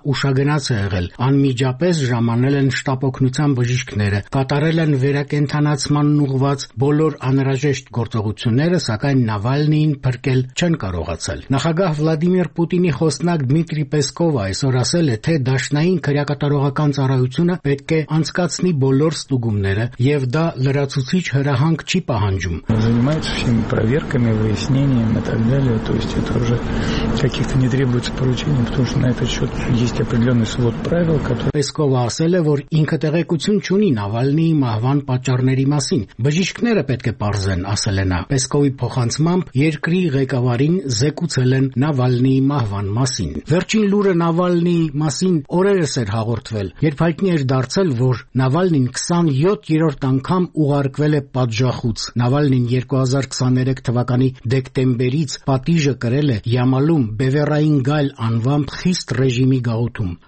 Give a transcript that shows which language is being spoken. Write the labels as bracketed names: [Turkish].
[Armenian] ուշագնաց է եղել։ Անմիջապես ժամանել են շտապօգնության բժիշկները, կատարել են վերակենդանացման ուղված բոլոր անհրաժեշտ գործողությունները, սակայն Նավալնիին փրկել չեն կարողացել։ Նախագահ Վլադիմիր Պուտինի խոսնակ Դմիտրի Պեսկովը այսօր ասել է, թե դաշնային քրեակատարողական ծառայությունը պետք է անցկացնի բոլոր ստուգումները, և դա լրացուցիչ հրահանգ չի պահանջում։ [Russian] Занимаются всеми проверками, выяснениями и так далее, то есть это уже каких-то не требуется поручений, потому что на этот счёт есть определённый свод правил, который [Armenian] Пескова ասել է, որ ինքը տեղեկություն չունի Նավալնիի մահվան պատճառների մասին։ Բժիշկները պետք է պարզեն, ասել է նա։ Պեսկովի փոխանցմամբ երկրի ղեկավարին զեկուցել են Նավալնիի մահվան մասին։ Վերջին լուրը Նավալնիի մասին օրերս էր հաղորդվել, երբ հայտնի էր դարձել, որ Նավալնին 27-րդ անգամ ուղարկվել է պատժախուց։ Նավալնին 2023 թվականի դեկտեմբերից պատիժը կրել է Յամալում Բևեռային գայլ անվամբ խիստ ռեժիմի գաղութում։